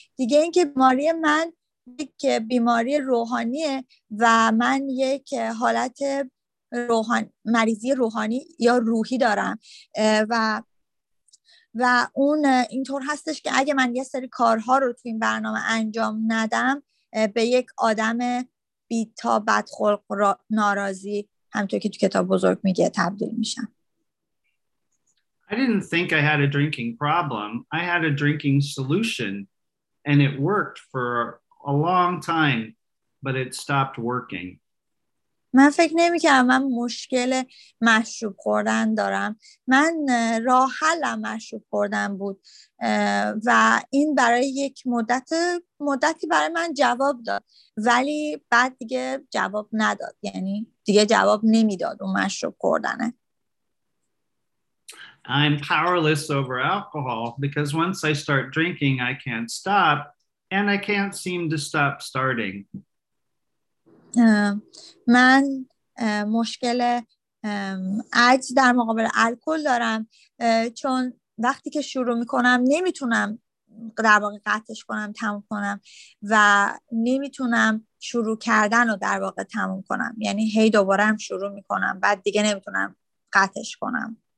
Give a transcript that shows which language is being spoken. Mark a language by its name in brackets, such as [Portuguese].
[Persian] دیگه اینکه بیماری من یک بیماری روحانیه و من یک حالت مریضی روحانی یا روحی دارم و اون اینطور هستش که اگه من یه سری کارها رو تو این برنامه انجام ندم به یک آدم بیتا بدخلق ناراضی همونطور که تو کتاب بزرگ میگه تبدیل میشم. [English] I didn't think I had a drinking problem. I had a drinking solution and it worked for a long time but it stopped working. [Persian] من فکر نمی‌کردم من مشکل مشروب خوردن دارم. من راه حل مشروب خوردن بود و این برای یک مدتی برای من جواب داد ولی بعد دیگه جواب نداد، یعنی دیگه جواب نمیداد اون مشروب خوردنه. [English] I'm powerless over alcohol because once I start drinking I can't stop and I can't seem to stop starting. [Persian] من مشکل عجز در مقابل الکل دارم چون وقتی که شروع میکنم نمیتونم در واقع قطعش کنم، تموم کنم و نمیتونم شروع کردن رو در واقع تموم کنم، یعنی هی دوباره هم شروع میکنم بعد دیگه نمیتونم قطعش کنم.